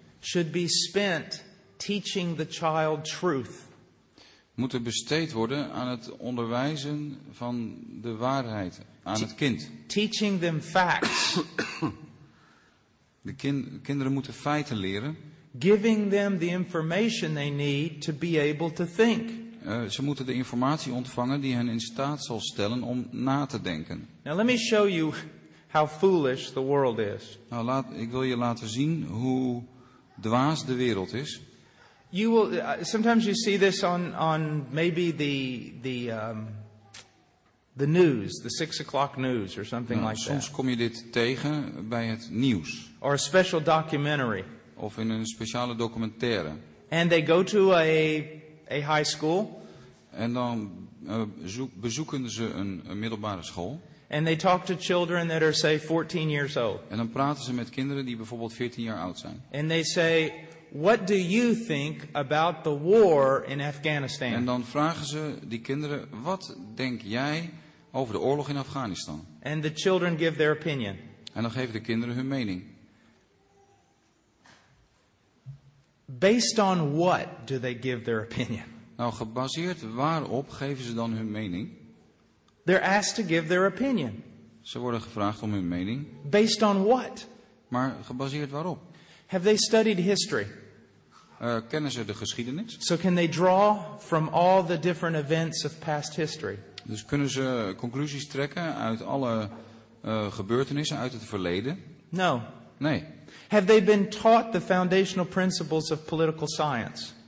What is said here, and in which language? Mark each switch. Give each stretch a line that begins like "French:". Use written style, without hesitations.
English: Should be spent teaching the child truth.
Dutch: Moeten besteed worden aan het onderwijzen van de waarheid aan het kind.
English: Teaching them facts.
Dutch: De kinderen moeten feiten leren.
English: Giving them the information they need to be able to think.
Dutch: Ze moeten de informatie ontvangen die hen in staat zal stellen om na te denken.
English: Now let me show you how foolish the world is.
Dutch: Nou, ik wil je laten zien hoe dwaas de wereld is.
English: You will sometimes you see this on maybe the news, the 6 o'clock news or something like that.
Dutch: Soms kom je dit tegen bij het nieuws.
English: Or a special documentary.
Dutch: Of in een speciale documentaire.
English: And they go to a high school.
Dutch: En dan bezoeken ze een middelbare school.
English: And they talk to children that are say 14 years old.
Dutch: En dan praten ze met kinderen die bijvoorbeeld 14 jaar oud zijn.
English: And they say, what do you think about the war in Afghanistan?
Dutch: En dan vragen ze die kinderen, wat denk jij over de oorlog in Afghanistan?
English: And the children give their opinion.
Dutch: En dan geven de kinderen hun mening.
English: Based on what do they give their opinion?
Dutch: Nou, gebaseerd waarop geven ze dan hun mening?
English: They're asked to give their opinion.
Dutch: Ze worden gevraagd om hun mening.
English: Based on what?
Dutch: Maar gebaseerd waarop?
English: Have they studied history?
Dutch: Kennen ze de geschiedenis?
English: So can they draw from all the different events of past history?
Dutch: Dus kunnen ze conclusies trekken uit alle gebeurtenissen uit het verleden?
English: No.
Dutch: Nee.
English: Have they been taught the foundational principles of political science?